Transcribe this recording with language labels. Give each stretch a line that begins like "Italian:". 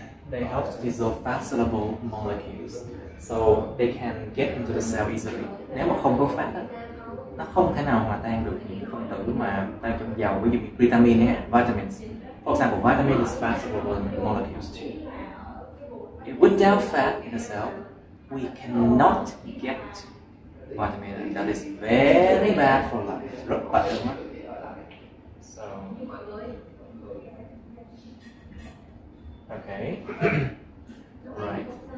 English: They help to dissolve fat soluble molecules, so they can get into the cell easily.
Vietnamese: Nếu mà không có fat nó không thể nào hòa tan được những phân tử mà tan trong dầu, ví dụ như vitamin nhé, vitamins.
English: For example, vitamin is fat soluble molecules too. Without fat in the cell, we cannot get vitamin. That is very bad for life.
Vietnamese: Rất bất ổn.
English: So, okay, right.